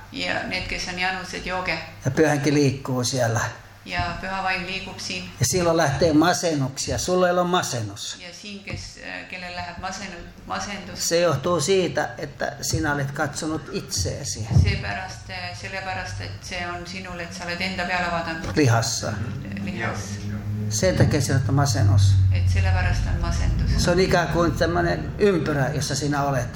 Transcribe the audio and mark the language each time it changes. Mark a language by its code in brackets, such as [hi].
[et] Ja ne, kes on janused, juoke. [fi] Ja pyhänkin liikkuu siellä. [et] Ja pyhä vain liikub siin. [fi] Ja silloin lähtee masennuksia. Sulla ei ole masennus. [et] Ja siin, kelle läheb masendus. [fi] Se johtuu siitä, että sinä olet katsonut itseesi. [et] Sellepärast, et se on sinulle, et sa oled enda peale vaadanud. [fi] Lihassa. [et] Lihas. [fi] Sen takia sinä olet masennus. [et] Et sellepärast on masendus. [fi] Se on ikään kuin tämmöinen ympyrä, jossa sinä olet.